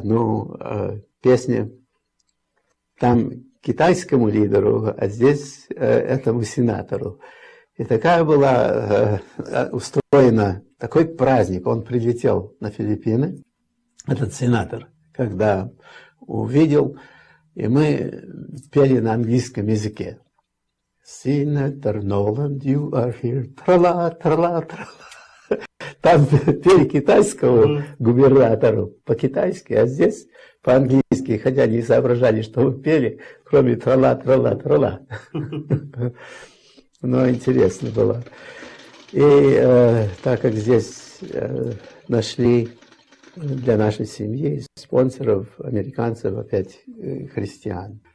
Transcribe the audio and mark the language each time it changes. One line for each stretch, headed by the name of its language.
Russian: Ну, песня там китайскому лидеру, а здесь этому сенатору. И такая была устроена... Такой праздник, он прилетел на Филиппины, этот сенатор, когда увидел, и мы пели на английском языке.
English: Senator Nolan, you are here, тра-ла, тра-ла, тра-ла.
Russian: Там пели китайскому губернатору по-китайски, а здесь по-английски, хотя не соображали, что мы пели, кроме тра-ла, тра-ла, тра-ла. Но интересно было. И так как здесь нашли для нашей семьи спонсоров, американцев, опять христиан.